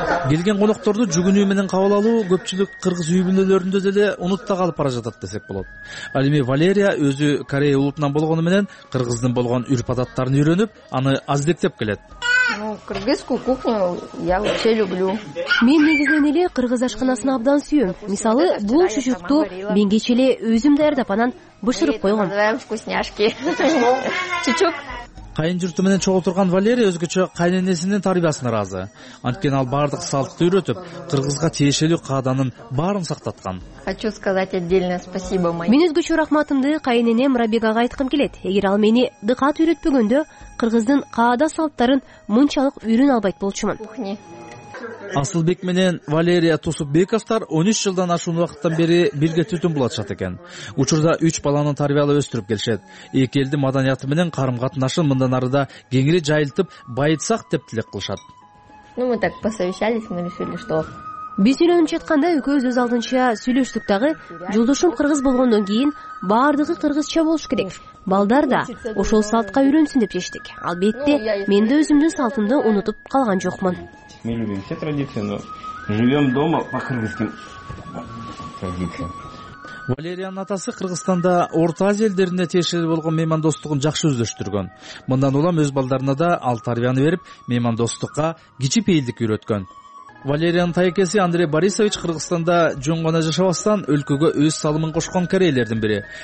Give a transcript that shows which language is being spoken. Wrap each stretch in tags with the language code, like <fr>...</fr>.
<ky>Келген конокторду жүгүнүү менен кабыл алуу көпчүлүк кыргыз үй бүлөлөрүндө деле унутта калып бара жатат десек болот. Ал эми Валерия өзү Корея улутунан болгону менен кыргыздын болгон үрп адаттарын үйрөнүп, аны аздектеп келет.</ky> <ru>Ну, кыргызскую кухню я вообще люблю.</ru> <ky>Мен негизинен эле кыргыз ашканасын абдан сүйөм. Мисалы, бул шүшүктү мен кечеле өзүм даярдап анан бышырып койгом.</ky> <ru>Вкусняшки. Чучук.</ru> <ky>Кайын журту менен чогуу турган Валерия өзгөчө кайненесинин тарбиясына ыраазы. Анткени ал баардык салтты үйрөтүп, кыргызга тиешелүү кааданын баарын сактаткан.</ky> <ru>Хочу сказать отдельное спасибо моей.</ru> <ky>Мен өзгөчө рахматымды кайненем Рабигага айткым келет. Эгер ал мени дыкат үйрөтпөгөндө, кыргыздын каада салттарын мынчалык үйрөнө албайт болчумун. Асылбек менен Валерия Тусупбековтор 13 жылдан ашуун убакыттан бери бирге түтүн булатышат экен. Учурда 3 баланы тарбиялап өстүрүп келишет. Эки элдин маданияты менен карым катнашын мындан ары да кеңири жайылтып байытсак деп тилек кылышат.</ky> <ru>Ну мы так посовещались, мы решили, что</ru> <ky>биз үйлөнүп жатканда экөөбүз өз алдынча сүйлөштүк дагы, жолдошум кыргыз болгондон кийин баардыгы кыргызча болуш керек. Балдар да ошол салтка үйрөнсүн деп чечтик. Албетте, мен да өзүмдүн салтымды унутуп калган жокмун.</ky> <ru>Мы любим все традиции, но живем дома по кыргызским традициям.</ru> <ky>Валериянын атасы Кыргызстанда Орто Азия элдерине тиешелүү болгон меймандостугун жакшы өздөштүргөн. Мындан улам өз балдарына да ал тарбияны берип, меймандостукка кичип ээлдик үйрөткөн. Валериянын тайкеси Андрей Борисович Кыргызстанда жөн гана жашабастан өлкөгө өз салымын кошкон корейлердин бири.</ky>